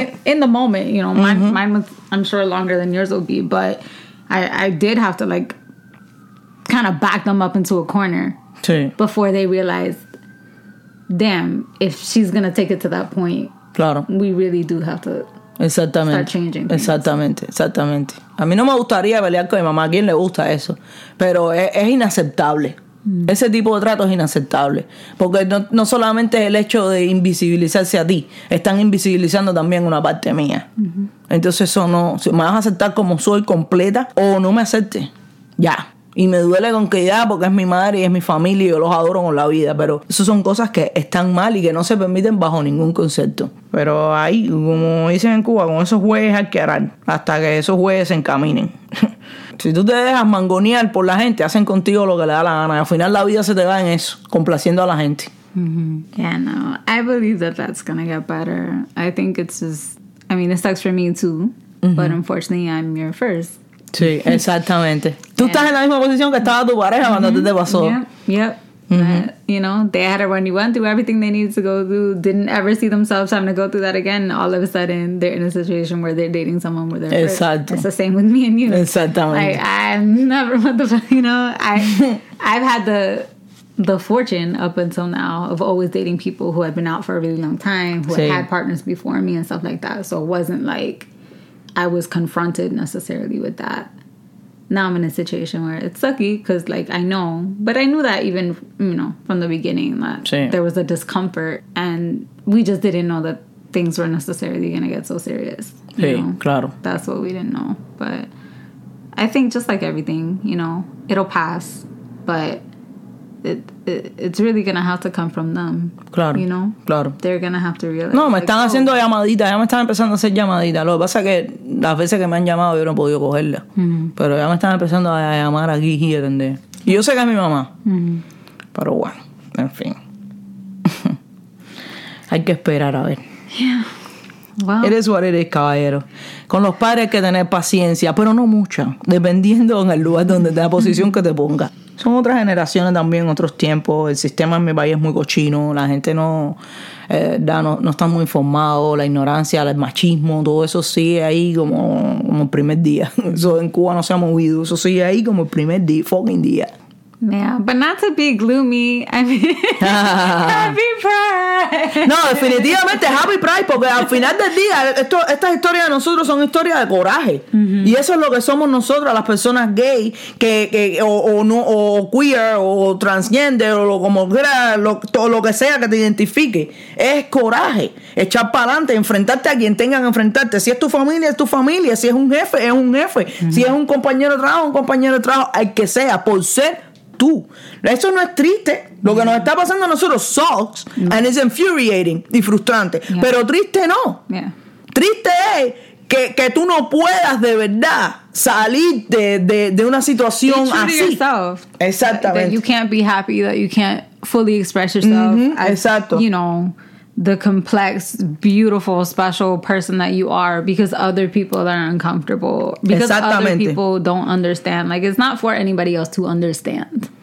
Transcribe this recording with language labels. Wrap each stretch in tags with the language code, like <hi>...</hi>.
<en>In the moment, you know, mine was, I'm sure, longer than yours will be, but I did have to, like, kind of back them up into a corner before they realized, damn, if she's going to take it to that point.</en> <es>Claro.</es> <en>We really do have to start changing things.</en> <es>Exactamente. A mí no me gustaría pelear con mi mamá. ¿A quién le gusta eso? Pero es inaceptable. Ese tipo de trato es inaceptable. Porque no solamente es el hecho de invisibilizarse a ti. Están invisibilizando también una parte mía. Entonces eso no... Si me vas a aceptar como soy completa o no me aceptes. Ya. Y me duele con que ya, porque es mi madre y es mi familia y yo los adoro con la vida. Pero eso son cosas que están mal y que no se permiten bajo ningún concepto. Pero ahí, como dicen en Cuba, con esos jueces hay que arar hasta que esos jueces se encaminen. Si tú te dejas mangonear por la gente, hacen contigo lo que le da la gana. Y al final la vida se te va en eso, complaciendo a la gente.</es> <en>Yeah, no. I believe that that's gonna get better. I think it's just... I mean, it sucks for me too. But unfortunately, I'm your first.</en> <es>Sí, exactamente. Tú estás en la misma posición que estaba tu pareja cuando te pasó.</es> <en>Yep. You know, they had a run, you went through everything they needed to go through, didn't ever see themselves having to go through that again. All of a sudden, they're in a situation where they're dating someone where they're</en> <es>exacto.</es> <en>It's the same with me and you.</en> <es>Exactamente.</es> <en>Like, I'm never, what the fuck, you know, I've had the fortune up until now of always dating people who had been out for a really long time, who had had partners before me and stuff like that. So it wasn't like I was confronted necessarily with that. Now I'm in a situation where it's sucky because, like, I know. But I knew that even, you know, from the beginning that there was a discomfort. And we just didn't know that things were necessarily going to get so serious. Hey, you know?</en> <es>Claro.</es> <en>That's what we didn't know. But I think just like everything, you know, it'll pass. But it's really going to have to come from them.</en> <es>Claro.</es> <en>You know?</en> <es>Claro.</es> <en>They're going to have to realize.</en> <es>No, me están like, haciendo llamaditas. Ya me están empezando a hacer llamaditas. Lo que pasa es que las veces que me han llamado yo no he podido cogerla. Mm-hmm. Pero ya me están empezando a llamar aquí y atender. Y yo sé que es mi mamá. Mm-hmm. Pero bueno, en fin. Hay que esperar a ver.</es> <en>Yeah. Well. It is what it is, caballero.</en> <es>Con los padres hay que tener paciencia, pero no mucha. Dependiendo en el lugar donde te da posición que te ponga. Son otras generaciones también, otros tiempos. El sistema en mi país es muy cochino. La gente no está muy informado. La ignorancia, el machismo, todo eso sigue ahí como el primer día. Eso en Cuba no se ha movido. Eso sigue ahí como el primer día, fucking día.</es> <en>Yeah, but not to be gloomy. I mean, happy pride.</en> <es>No, definitivamente</es> <en>happy pride,</en> <es>porque al final del día, estas historias de nosotros son historias de coraje. Mm-hmm. Y eso es lo que somos nosotros, las personas gay, o queer, o transgender, o como quiera, lo que sea que te identifique. Es coraje. Echar para adelante, enfrentarte a quien tengan que enfrentarte. Si es tu familia, es tu familia. Si es un jefe, es un jefe. Mm-hmm. Si es un compañero de trabajo, un compañero de trabajo, al que sea, por ser tú. Eso no es triste. Lo que nos está pasando a nosotros</es> <en>sucks and it's infuriating</en> <es>y frustrante. Yeah. Pero triste no.</es> <en>Yeah.</en> <es>Triste es que tú no puedas de verdad salir de una situación así.</es> <en>Be true to yourself.</en> <es>Exactamente.</es> <en>That you can't be happy, that you can't fully express yourself.</en> <es>Mm-hmm. Exacto.</es> <en>You know, the complex, beautiful, special person that you are because other people are uncomfortable. Because other people don't understand. Like, it's not for anybody else to understand.</en>